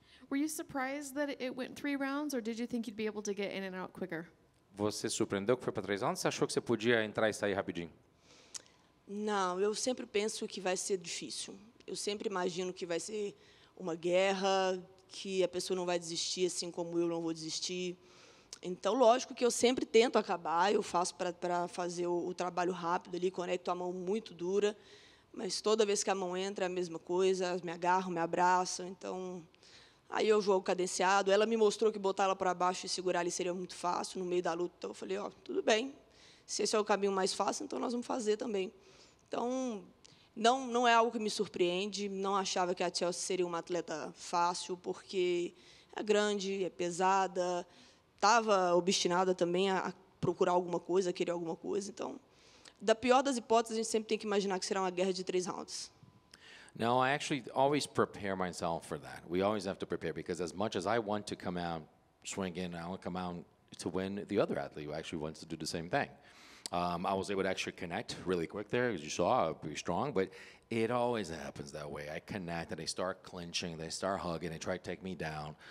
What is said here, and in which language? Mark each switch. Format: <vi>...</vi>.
<en>Were you surprised that it went three rounds, or did you think you'd be able to get in and out quicker?</en> <pt>Você surpreendeu que foi para 3 rounds? Você achou que você podia entrar e sair rapidinho? Não, eu sempre penso que vai ser difícil. Eu sempre imagino que vai ser uma guerra, que a pessoa não vai desistir assim como eu não vou desistir. Então, lógico que eu sempre tento acabar, eu faço para fazer o trabalho rápido ali, conecto a mão muito dura, mas toda vez que a mão entra é a mesma coisa, me agarram, me abraçam, então... Aí eu jogo cadenciado, ela me mostrou que botar ela para baixo e segurar ali seria muito fácil, no meio da luta, então eu falei, ó, tudo bem, se esse é o caminho mais fácil, então nós vamos fazer também. Então, não é algo que me surpreende, não achava que a Chelsea seria uma atleta fácil, porque é grande, é pesada, estava obstinada também a procurar alguma coisa, a querer alguma coisa, então, da pior das hipóteses, a gente sempre tem que imaginar que será uma guerra de 3 rounds.</pt> <en>No, I actually always prepare myself for that. We always have to prepare because as much as I want to come out swinging, I want to come out to win, the other athlete actually wants to do the same thing. I was able to actually connect really quick there, as you saw, pretty strong, but it always happens that way. I connect and they start clinching, they start hugging, they try to take me down.</en>